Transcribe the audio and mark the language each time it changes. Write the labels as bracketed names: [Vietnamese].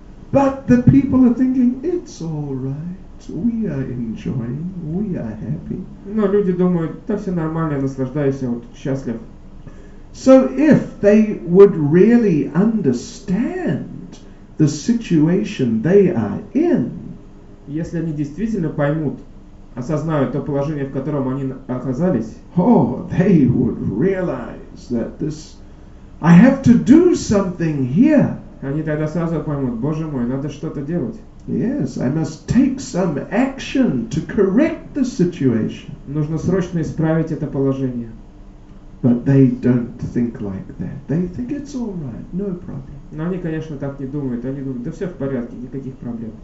[English] But the people are thinking, it's all right, we are enjoying, we are happy. [Russian] Но люди думают, да все нормально, наслаждайся, вот счастлив. [English] So if they would really understand the situation they are in, [Russian] если они действительно поймут, осознают то положение, в котором они оказались, [English] oh, they would realize that this, I have to do something here. [Russian] Они тогда сразу поймут, Боже мой, надо что-то делать. [English] Yes, I must take some action to correct the situation. [Russian] Нужно срочно исправить это положение. [English] But they don't think like that. They think it's all right, no problem. [Russian] Но они, конечно, так не думают. Они думают, да все в порядке, никаких проблем.